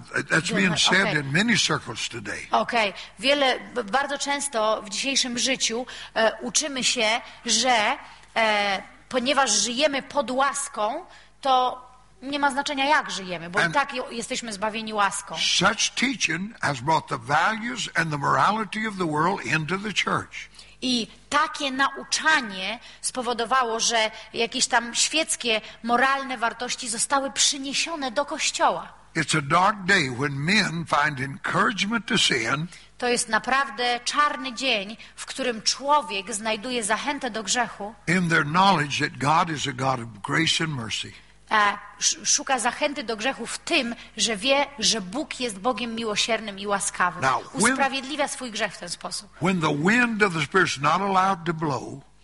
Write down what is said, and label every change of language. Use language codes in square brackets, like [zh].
[en] That's being said in many circles today. Okay. [pl] Wiele, bardzo często w dzisiejszym życiu uczymy się, że ponieważ żyjemy pod łaską, to nie ma znaczenia, jak żyjemy, bo i tak jesteśmy zbawieni łaską. [en] Such teaching has brought the values and the morality of the world into the church. [pl] I takie nauczanie spowodowało, że jakieś tam świeckie, moralne wartości zostały przyniesione do Kościoła. [en] It's a dark day when men find encouragement to sin. [pl] To jest naprawdę czarny dzień, w którym człowiek znajduje zachętę do grzechu. [en] In their knowledge that God is a God of grace and mercy. [pl] Szuka zachęty do grzechu w tym, że wie, że Bóg jest Bogiem miłosiernym i łaskawym. [en] Now, [pl] usprawiedliwia swój grzech w ten sposób. [en] When the wind of the Spirit is not allowed to blow,